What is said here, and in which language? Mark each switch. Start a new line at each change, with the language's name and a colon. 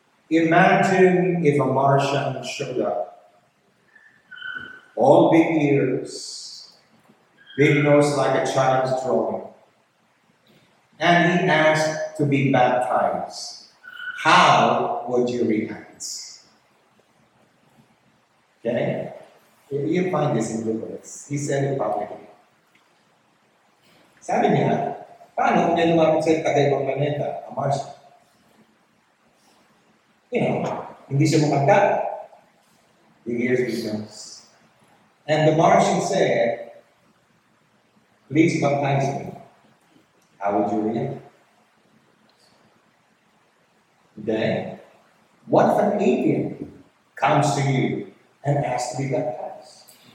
English: Imagine if a Martian showed up, all big ears, big nose like a child's drawing, and he asked to be baptized. How would you react? Okay? You find this in Google. He said it publicly.
Filipino: Sabi niya, Paano kung yan naman sa kakaibang planeta, ang Mars?
English: You know,
Filipino: hindi siya mukhangka.
English: Big ears, big nose. And the Martian said, please baptize me. How would you react? Then, what if an alien comes to you and asks to be baptized?